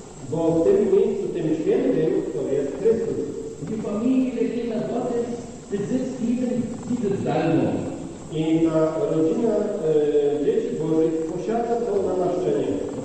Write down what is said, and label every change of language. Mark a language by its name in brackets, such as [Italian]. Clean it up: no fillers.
[Polish] Bo w tym miejscu, tym świętym, to jest Chrystus. [German] Die Familie, Kinder Gottes, besitzt eben diese Salbung. [Polish] I ta rodzina dzieci Bożych posiada to namaszczenie.